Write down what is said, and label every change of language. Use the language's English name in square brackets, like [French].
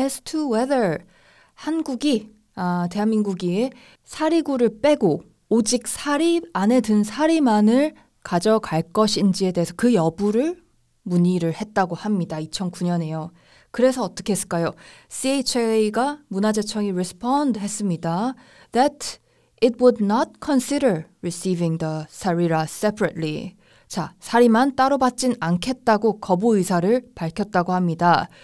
[English] As to whether [Korean] 한국이, 대한민국이 사리구를 빼고 오직 사리 안에 든 사리만을 가져갈 것인지에 대해서 그 여부를 문의를 했다고 합니다. 2009년에요. 그래서 어떻게 했을까요? CHA가 문화재청이 respond 했습니다. [English] That it would not consider receiving the 사리라 separately. [Korean] 자, 사리만 따로 받진 않겠다고 거부 의사를 밝혔다고 합니다.